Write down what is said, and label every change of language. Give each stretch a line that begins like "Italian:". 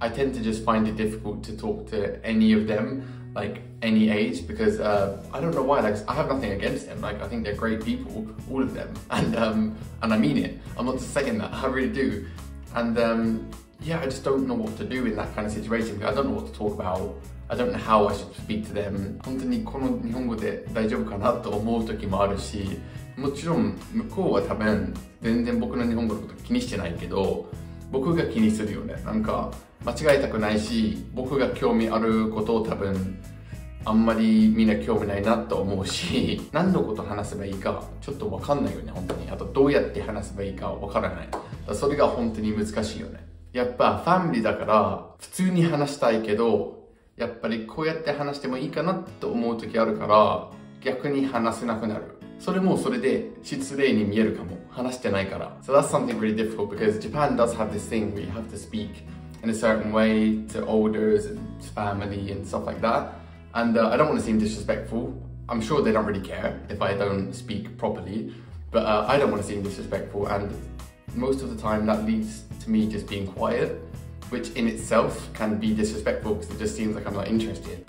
English: I tend to just find it difficult to talk to any of them, like any age, because I don't know why, like I have nothing against them. Like I think they're great people, all of them. And I mean it, I'm not just saying that, I really do. And yeah, I just don't know what to do in that kind of situation. Because I don't know what to talk about. I don't know how I should speak to them.
Japanese: 本当にこの日本語で大丈夫かなと思う時もあるし、もちろん向こうは多分全然僕の日本語のこと気にしてないけど、僕が気にするよね。なんか間違えたくないし、僕が興味あることを多分あんまりみんな興味ないなと思うし、何のこと話せばいいかちょっとわかんないよね、本当に。あとどうやって話せばいいかわからない。だそれが本当に難しいよね。やっぱファミリーだから普通に話したいけど、やっぱりこうやって話してもいいかなと思う時あるから逆に話せなくなる。それもそれで失礼に見えるかも。話してないから。
English: So that's something really difficult because Japan does have this thing where you have to speak in a certain way to elders and family and stuff like that. And I don't want to seem disrespectful. I'm sure they don't really care if I don't speak properly. But I don't want to seem disrespectful. And most of the time that leads to me just being quiet, which in itself can be disrespectful because it just seems like I'm not interested.